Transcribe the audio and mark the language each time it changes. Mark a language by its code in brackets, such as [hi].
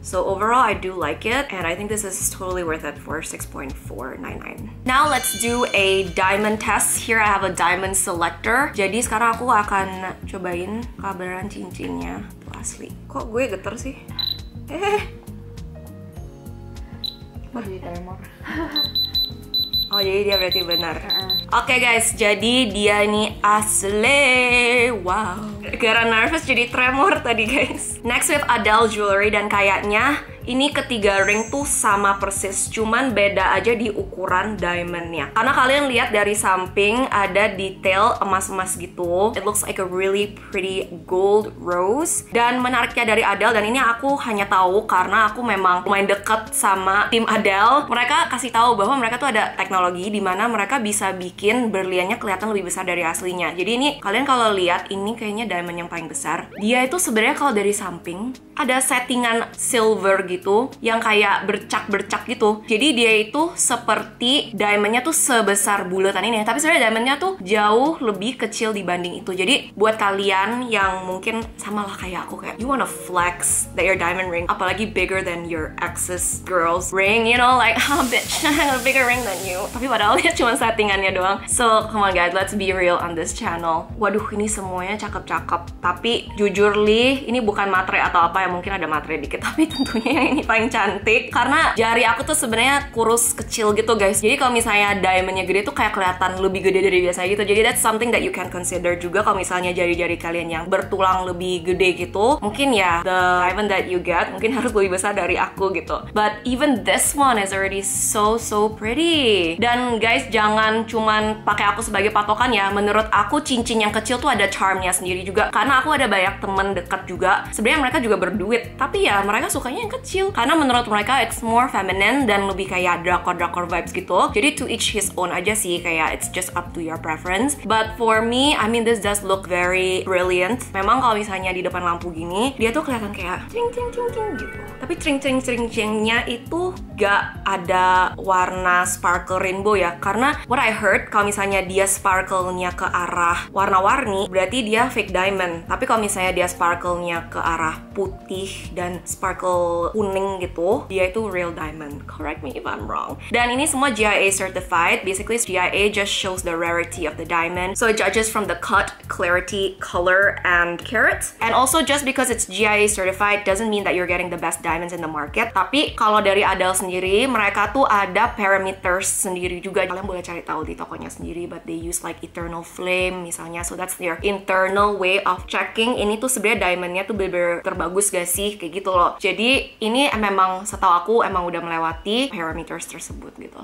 [en] So overall I do like it and I think this is totally worth it for 6.499. Now let's do a diamond test. Here I have a diamond selector. [id] Jadi sekarang aku akan cobain kabaran cincinnya. Tuh asli. Kok gue geter sih? Oh, jadi dia berarti benar. Okay, guys, jadi dia ini asli. Wow. Karena nervous jadi tremor tadi, guys. [en] Next with Adele Jewelry [id] dan kayaknya ini ketiga ring tuh sama persis, cuman beda aja di ukuran diamondnya. Karena kalian lihat dari samping ada detail emas-emas gitu. [en] It looks like a really pretty gold rose. [id] Dan menariknya dari Adele, dan ini aku hanya tahu karena aku memang lumayan deket sama tim Adele. Mereka kasih tahu bahwa mereka tuh ada teknologi di mana mereka bisa bikin berliannya kelihatan lebih besar dari aslinya. Jadi ini kalian kalau lihat ini kayaknya diamond yang paling besar. Dia itu sebenarnya kalau dari samping ada settingan silver gitu yang kayak bercak-bercak gitu. Jadi dia itu seperti diamondnya tuh sebesar bulatan ini, tapi sebenarnya diamondnya tuh jauh lebih kecil dibanding itu. Jadi buat kalian yang mungkin samalah kayak aku, kayak [en] you wanna flex that your diamond ring apalagi bigger than your ex's girl's ring, you know, like, oh bitch, I have a bigger ring than you, [id] tapi padahal dia cuma settingannya doang. [en] So come on guys, let's be real on this channel. [id] Waduh, ini semuanya cakep-cakep, tapi jujur li ini bukan matre atau apa ya, mungkin ada matre dikit, tapi tentunya ini paling cantik karena jari aku tuh sebenarnya kurus kecil gitu guys. Jadi kalau misalnya diamondnya gede tuh kayak kelihatan lebih gede dari biasanya gitu. Jadi [en] that's something that you can consider [id] juga kalau misalnya jari-jari kalian yang bertulang lebih gede gitu, mungkin ya [en] the diamond that you get [id] mungkin harus lebih besar dari aku gitu. [en] But even this one is already so so pretty. [id] Dan guys, jangan cuman pakai aku sebagai patokan ya. Menurut aku cincin yang kecil tuh ada charmnya sendiri juga, karena aku ada banyak temen dekat juga sebenarnya mereka juga berduit, tapi ya mereka sukanya yang kecil karena menurut mereka [en] it's more feminine [id] dan lebih kayak drakor-drakor vibes gitu. [en] Jadi to each his own [id] aja sih, kayak [en] it's just up to your preference. But for me, I mean, this does look very brilliant. [id] Memang kalau misalnya di depan lampu gini dia tuh kelihatan kayak cing cing cing cing gitu, tapi cing cing cing cingnya itu gak ada warna sparkle rainbow ya. Karena [en] what I heard, [id] kalau misalnya dia sparklenya ke arah warna-warni berarti dia fake diamond, tapi kalau misalnya dia sparklenya ke arah putih dan sparkle kuning gitu, dia itu real diamond. [en] Correct me if I'm wrong. [id] Dan ini semua [en] GIA certified. Basically, GIA just shows the rarity of the diamond. So it judges from the cut, clarity, color, and carats. And also, just because it's GIA certified doesn't mean that you're getting the best diamonds in the market. [id] Tapi kalau dari Adele sendiri, mereka tuh ada parameters sendiri juga. Kalian boleh cari tahu di tokonya sendiri, [en] but they use like eternal flame [id] misalnya. [en] So that's their internal way of checking [id] ini tuh sebenarnya diamondnya tuh bener-bener terbagus gak sih, kayak gitu loh. Jadi ini memang setahu aku emang udah melewati parameters tersebut gitu.